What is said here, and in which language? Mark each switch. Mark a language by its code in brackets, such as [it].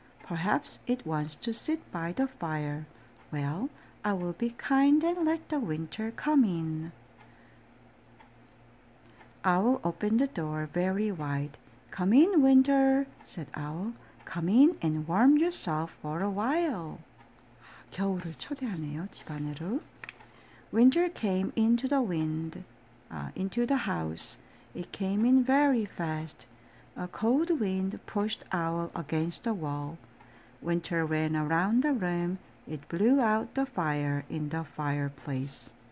[en] Perhaps it wants to sit by the fire. Well, I will be kind and let the winter come in. Owl opened the door very wide. Come in, winter, said Owl. Come in and warm yourself for a while. [ko] 겨울을 초대하네요, 집 안으로. [en] Winter came into the wind, into the house. It came in very fast. A cold wind pushed Owl against the wall. Winter ran around the room. It blew out the fire in the fireplace.